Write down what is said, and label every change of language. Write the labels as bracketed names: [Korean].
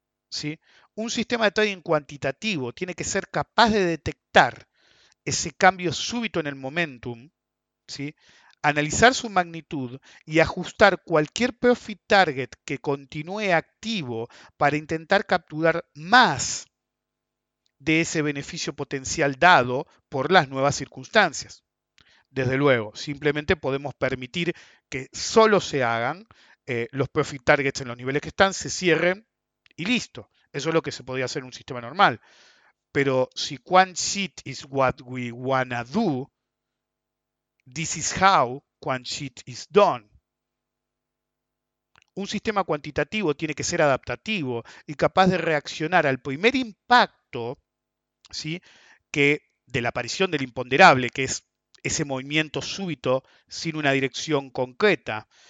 [Spanish] ¿sí?, un sistema de trading cuantitativo tiene que ser capaz de detectar ese cambio súbito en el momentum, ¿sí?, analizar su magnitud y ajustar cualquier profit target que continúe activo para intentar capturar más de ese beneficio potencial dado por las nuevas circunstancias. Desde luego, simplemente podemos permitir que solo se hagan los profit targets en los niveles que están, se cierren y listo. Eso es lo que se podría hacer en un sistema normal. Pero si [English] quant sheet is what we wanna do, this is how quant sheet is done. [Spanish] Un sistema cuantitativo tiene que ser adaptativo y capaz de reaccionar al primer impacto, ¿sí?, que de la aparición del imponderable, que es ese movimiento súbito sin una dirección concreta.